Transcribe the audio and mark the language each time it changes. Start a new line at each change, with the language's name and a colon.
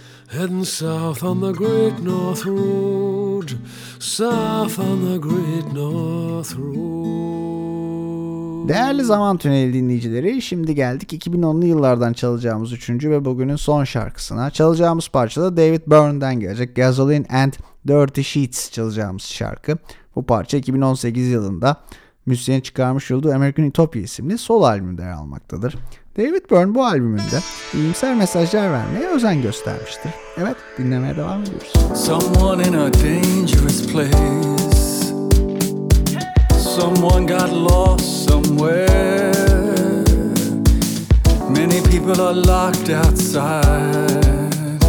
English: Heading south on the Great North Road, south on the Great North Road.
Turkish: Değerli zaman tüneli dinleyicileri, şimdi geldik 2010'lu yıllardan çalacağımız üçüncü ve bugünün son şarkısına. Çalacağımız parça da David Byrne'den gelecek. Gasoline and Dirty Sheets çalacağımız şarkı. Bu parça 2018 yılında müzisyen çıkarmış olduğu American Utopia isimli solo albümde yer almaktadır. David Byrne bu albümünde iyimser mesajlar vermeye özen göstermiştir. Evet, dinlemeye devam ediyoruz.
English: Someone in a dangerous place. Someone got lost somewhere. Many people are locked outside.